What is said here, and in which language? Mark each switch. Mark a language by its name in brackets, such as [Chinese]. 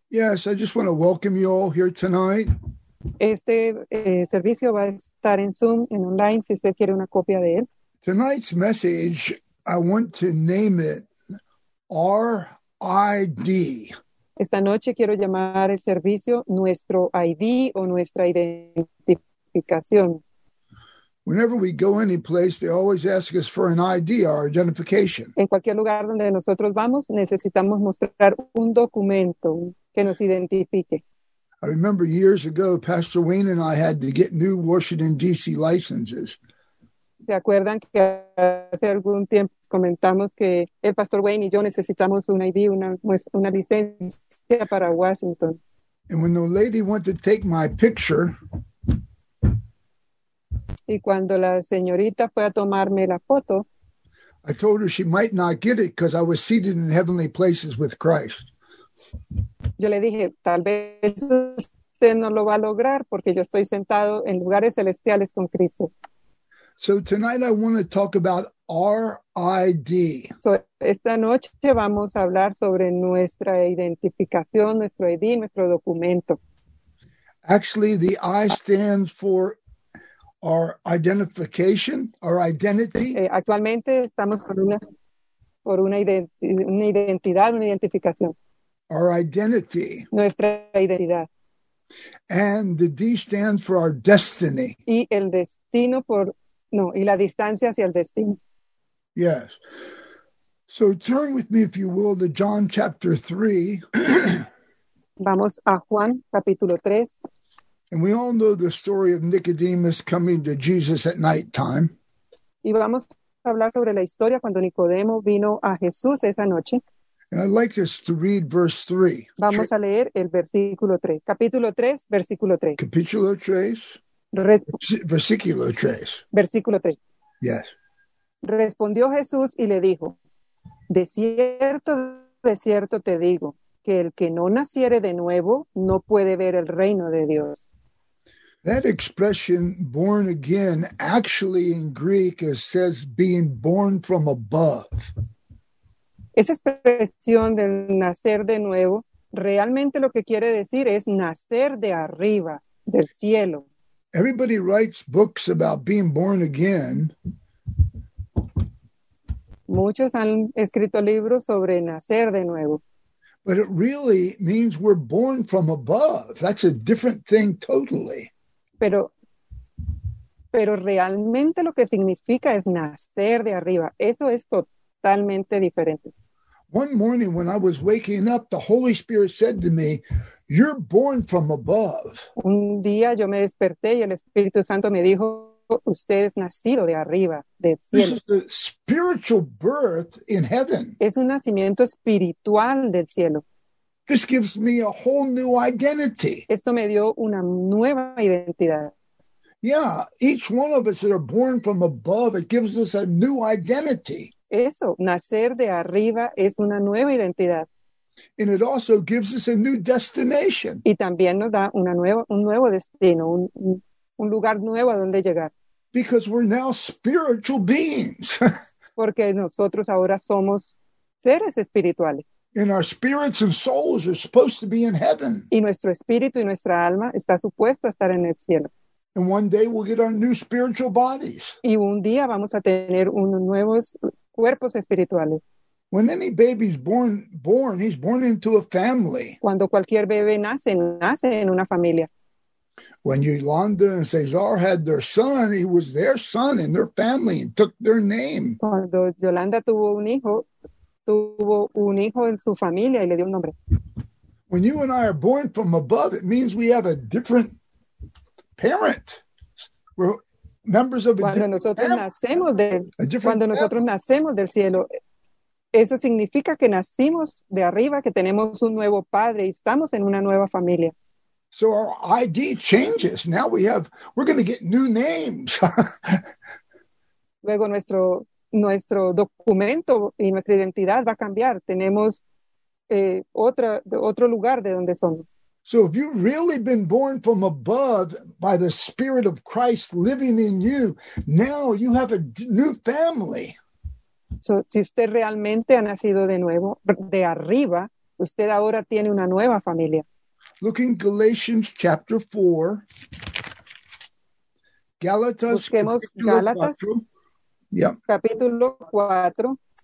[English] Yes, I just want to welcome you all here tonight. [Spanish] Servicio va a estar en Zoom, en online, si usted quiere una copia de él. [English] Tonight's message, I want to name it RID. [Spanish] Esta noche quiero llamar el servicio nuestro ID o nuestra identificación. [English] Whenever we go any place, they always ask us for an ID, our identification. [Spanish] En cualquier lugar donde nosotros vamos, necesitamos mostrar un documento que nos identifique. [English] I remember years ago, Pastor Wayne and I had to get new Washington, D.C. licenses. [Spanish] ¿Se acuerdan que hace algún tiempo comentamos que el Pastor Wayne y yo necesitamos un ID, una licencia para Washington? [English] And when the lady went to take my picture, [Spanish] y cuando la señorita fue a tomarme la foto, [English] I told her she might not get it because I was seated in heavenly places with Christ. [Spanish] Yo le dije, tal vez usted no lo va a lograr porque yo estoy sentado en lugares celestiales con Cristo. [English] So tonight I want to talk about RID. [Spanish] So esta noche vamos a hablar sobre nuestra identificación, nuestro ID, nuestro documento. [English] Actually, the I stands for our identification, our identity. [Spanish] Actualmente estamos por una identidad, una identificación. [English] Our identity. [Spanish] Nuestra identidad. [English] And the D stands for our destiny. [Spanish] Y el destino por, no, y la distancia hacia el destino. [English] Yes. So turn with me, if you will, to John chapter 3. [Spanish] Vamos a Juan capítulo 3. And we all know the story of Nicodemus coming to Jesus at nighttime. Y vamos a hablar sobre la historia cuando Nicodemo vino a Jesús esa noche. And I'd like us to read verse 3. Vamos a leer el versículo 3. Capítulo 3, versículo 3. Capítulo 3. Versículo 3. Versículo 3. [English] Yes. [Spanish] Respondió Jesús y le dijo, de cierto te digo, que el que no naciere de nuevo no puede ver el reino de Dios. [English] That expression, born again, actually in Greek, it says being born from above. [Spanish] Esa expresión del nacer de nuevo, realmente lo que quiere decir es nacer de arriba, del cielo. [English] Everybody writes books about being born again. [Spanish] Muchos han escrito libros sobre nacer de nuevo. [English] But it really means we're born from above. That's a different thing totally. [Spanish] Pero realmente lo que significa es nacer de arriba. Eso es totalmente diferente. [English] One morning when I was waking up, the Holy Spirit said to me, "You're born from above." [Spanish] Un día yo me desperté y el Espíritu Santo me dijo, "Usted es nacido de arriba, del cielo." [English] This is the spiritual birth in heaven. [Spanish] Es un nacimiento espiritual del cielo. [English] This gives me a whole new identity. [Spanish] Esto me dio una nueva identidad. [English] Yeah, each one of us that are born from above, it gives us a new identity. [Spanish] Eso, nacer de arriba es una nueva identidad. [English] And it also gives us a new destination. [Spanish] Y también nos da un nuevo destino, un lugar nuevo a donde llegar. [English] Because we're now spiritual beings. [Spanish] Porque nosotros ahora somos seres espirituales. [English] And our spirits and souls are supposed to be in heaven. [Spanish] Y nuestro espíritu y nuestra alma está supuesto a estar en el cielo. [English] And one day we'll get our new spiritual bodies. [Spanish] Y un día vamos a tener unos nuevos cuerpos espirituales. [English] When any baby's born, he's born into a family. [Spanish] Cuando cualquier bebé nace en una familia. [English] When Yolanda and Cesar had their son, he was their son in their family and took their name. [Spanish] Cuando Yolanda tuvo un hijo en su familia y le dio un nombre. [English] When you and I are born from above, it means we have a different parent. We're members of a [Spanish] cuando [English] different [Spanish] nosotros [English] family. [Spanish] Nacemos del, [English] a different [Spanish] cuando [English] family. [Spanish] Nosotros nacemos del cielo, eso significa que nacimos de arriba, que tenemos un nuevo padre y estamos en una nueva familia. [English] So our ID changes. Now we're going to get new names. [Spanish] Luego nuestro documento y nuestra identidad va a cambiar. Tenemos otro lugar de donde somos. [English] So if you've really been born from above by the Spirit of Christ living in you, now you have a new family. [Spanish] So si usted realmente ha nacido de nuevo, de arriba, Usted ahora tiene una nueva familia. [English] Look in Galatians chapter 4. [Spanish] Galatas, Busquemos Galatas, capítulo 4.